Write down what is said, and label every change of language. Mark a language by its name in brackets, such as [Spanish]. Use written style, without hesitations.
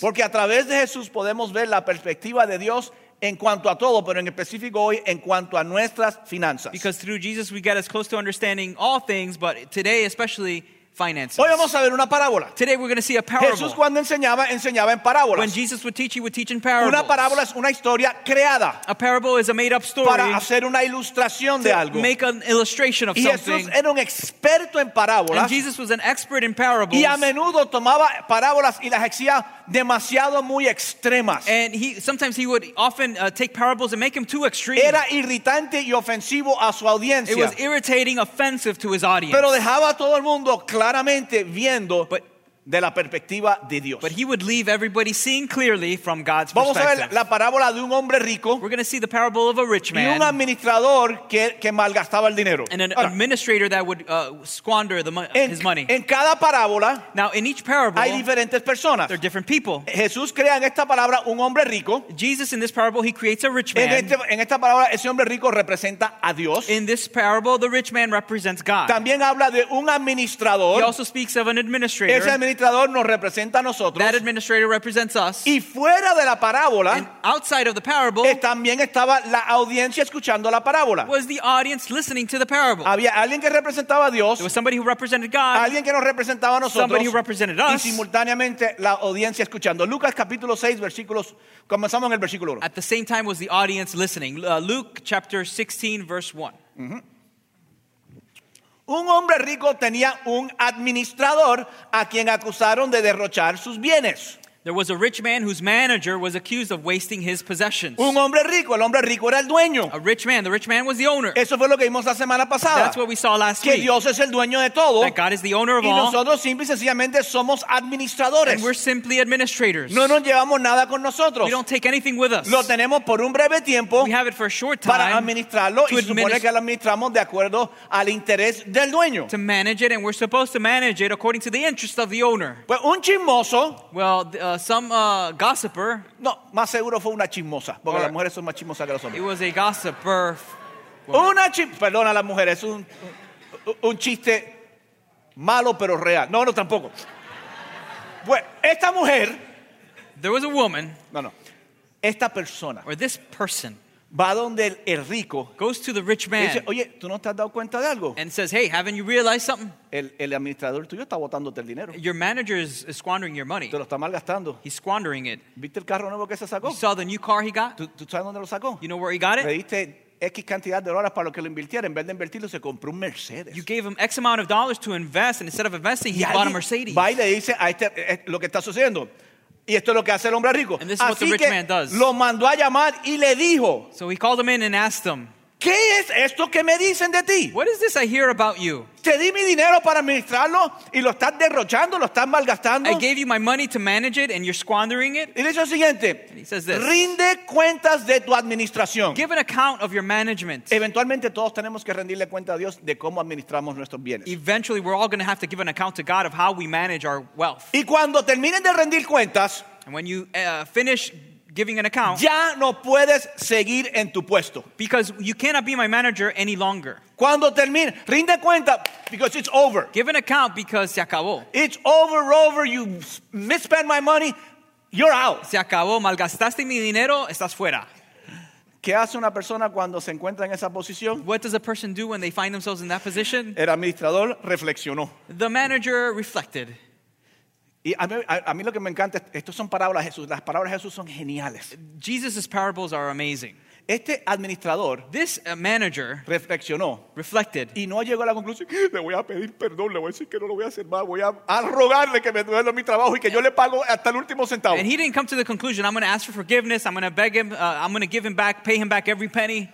[Spanish] Porque a través de Jesús podemos ver la perspectiva de Dios en cuanto a todo, pero en específico hoy en cuanto a nuestras finanzas. [English] Because through Jesus we get as close to understanding all things, but today especially finances. [Spanish] Hoy vamos a ver una parábola. [English] Today we're going to see a parable. [Spanish] Jesús cuando enseñaba, enseñaba en parábolas. [English] When Jesus would teach, he would teach in parables. [Spanish] Una parábola es una historia creada. [English] A parable is a made-up story. [Spanish] Para hacer una ilustración de algo. [English] Make an illustration of [Spanish] y [English] something. [Spanish] Jesús era un experto en parábolas. [English] And Jesus was an expert in parables. [Spanish] Y a menudo tomaba parábolas y las hacía demasiado muy extremas. [English] And sometimes he would often take parables and make them too extreme. [Spanish] Era irritante y ofensivo a su audiencia. [English] It was irritating, offensive to his audience. [Spanish] Pero dejaba a todo el mundo claramente viendo de la perspectiva de Dios. [English] But he would leave everybody seeing clearly from God's [Spanish] vamos [English] perspective. [Spanish] Vamos a ver la parábola de un hombre rico. [English] We're going to see the parable of a rich man. [Spanish] Y un administrador que malgastaba el dinero. [English] And an administrator that would squander his money. [Spanish] En cada parábola, [English] now in each parable, [Spanish] hay diferentes personas. [English] There are different people. [Spanish] Jesús crea en esta parábola un hombre rico. [English] Jesus in this parable he creates a rich man. [Spanish] En esta parábola ese hombre rico representa a Dios. [English] In this parable the rich man represents God. [Spanish] También habla de un administrador. [English] He also speaks of an administrator. [Spanish] El administrador nos representa a nosotros. [English] That administrator represents us. [Spanish] Y fuera de la parábola, [English] outside of the parable, [Spanish] también estaba la audiencia escuchando la parábola. [English] Was the audience listening to the parable? [Spanish] Había alguien que representaba a Dios. [English] There was somebody who represented God. [Spanish] Alguien que nos representaba a nosotros. [English] Somebody who represented us. [Spanish] Y simultáneamente la audiencia escuchando. Lucas capítulo 6 versículos comenzamos en el versículo 1. [English] At the same time was the audience listening. Luke chapter 16 verse 1. Mm-hmm. [Spanish] Un hombre rico tenía un administrador a quien acusaron de derrochar sus bienes. [English] There was a rich man whose manager was accused of wasting his possessions. [Spanish] Un hombre rico, el hombre rico era el dueño. [English] A rich man, the rich man was the owner. [Spanish] Eso fue lo que vimos la semana pasada. [English] That's what we saw last week. [Spanish] Que Dios es el dueño de todo. [English] That God is the owner of [Spanish] y [English] all. [Spanish] Y nosotros simple y sencillamente somos administradores. [English] And we're simply administrators. [Spanish] No nos llevamos nada con nosotros. [English] We don't take anything with us. [Spanish] Lo tenemos por un breve tiempo. [English] We have it for a short time. [Spanish] Para administrarlo y supone que lo administramos de acuerdo al interés del dueño. [English] To manage it and we're supposed to manage it according to the interest of the owner. [Spanish] Pues un chismoso. [English] Well, gossiper. [Spanish] No, más seguro fue una chismosa, porque las mujeres son más chismosas que los hombres. [English] It was a gossiper. [Spanish] Una chismosa. Perdona a las mujeres, un chiste malo pero real. No, no, tampoco. Pues, esta mujer. [English] There was a woman. [Spanish] No, no. Esta persona. [English] Or this person. [Spanish] Va donde el rico. [English] Goes to the rich man. [Spanish] Y dice, oye, ¿tú no te has dado cuenta de algo? [English] And says, hey, haven't you realized something? [Spanish] El administrador tuyo está botándote el dinero. [English] Your manager is squandering your money. [Spanish] Te lo está malgastando. [English] He's squandering it. [Spanish] ¿Viste el carro nuevo que se sacó? [English] You saw the new car he got? [Spanish] ¿Tú sabes dónde lo sacó? [English] You know where he got it? [Spanish] Pediste X cantidad de dólares para lo que lo invirtiera. En vez de invertirlo, se compró un Mercedes. [English] You gave him X amount of dollars to invest, and instead of investing, he bought a Mercedes. [Spanish] Va y le dice a este lo que está sucediendo. Y esto es lo que hace el hombre rico. [English] And this is [Spanish] así [English] what the rich man does. [Spanish] Lo mandó a llamar y le dijo. [English] So he called him in and asked him. [Spanish] ¿Qué es esto que me dicen de ti? [English] What is this I hear about you? [Spanish] Te di mi dinero para administrarlo y lo estás derrochando, lo estás malgastando. [English] I gave you my money to manage it and you're squandering it. [Spanish] Y le dice lo siguiente. [English] And he says this. [Spanish] Rinde cuentas de tu administración. [English] Give an account of your management. [Spanish] Eventualmente todos tenemos que rendirle cuenta a Dios de cómo administramos nuestros bienes. [English] Eventually we're all going to have to give an account to God of how we manage our wealth. [Spanish] Y cuando terminen de rendir cuentas. [English] And when you finish giving an account. [Spanish] Ya no puedes seguir en tu puesto. [English] Because you cannot be my manager any longer. [Spanish] Cuando termine, rinde cuenta, [English] because it's over. Give an account because [Spanish] se acabó. [English] It's over, Rover. You misspent my money. You're out. [Spanish] Se acabó. Malgastaste mi dinero. Estás fuera. ¿Qué hace una persona cuando se encuentra en esa posición? [English] What does a person do when they find themselves in that position? [Spanish] El administrador reflexionó. [English] The manager reflected. [Spanish] Y a mí lo que me encanta, estos son parábolas de Jesús. Las parábolas de Jesús son geniales. [English] Jesus' parables are amazing. [Spanish] Este administrador, [English] this manager, [Spanish] reflexionó, [English] reflected, [Spanish] y no llegó a la conclusión. Le voy a pedir perdón, le voy a decir que no lo voy a hacer más, voy a rogarle que me devuelva mi trabajo y que yo le pago hasta el último centavo. [English] And he didn't come to the conclusion. I'm going to ask for forgiveness. I'm going to beg him. I'm going to give him back, pay him back every penny.